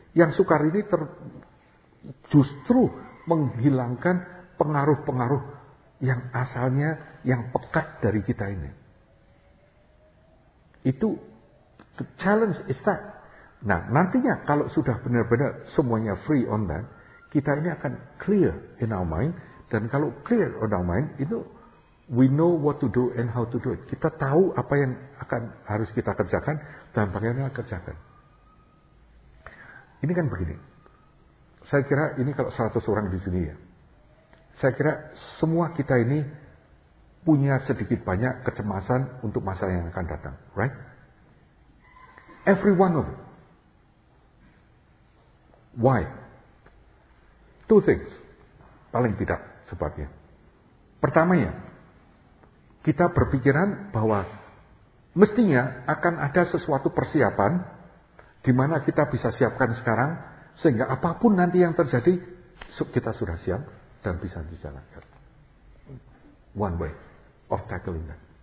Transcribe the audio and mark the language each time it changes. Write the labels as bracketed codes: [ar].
[id] Yang sukar ini justru menghilangkan pengaruh-pengaruh yang asalnya yang pekat dari kita ini. Itu [en] the challenge is that. [id] Nah, nantinya kalau sudah benar-benar semuanya [en] free on that, [id] kita ini akan [en] clear in our mind. [id] Dan kalau [en] clear on our mind, [id] itu [en] we know what to do and how to do it. [id] Kita tahu apa yang akan harus kita kerjakan dan bagaimana kerjakan. Ini kan begini. Saya kira ini kalau 100 orang di sini ya. Saya kira semua kita ini punya sedikit banyak kecemasan untuk masa yang akan datang, [en] right? Every one of them. Why? Two things, [id] paling tidak sebabnya. Pertamanya, kita berpikiran bahwa mestinya akan ada sesuatu persiapan di mana kita bisa siapkan sekarang sehingga apapun nanti yang terjadi, kita sudah siap dan bisa dijalankan. [en] One way of tackling that.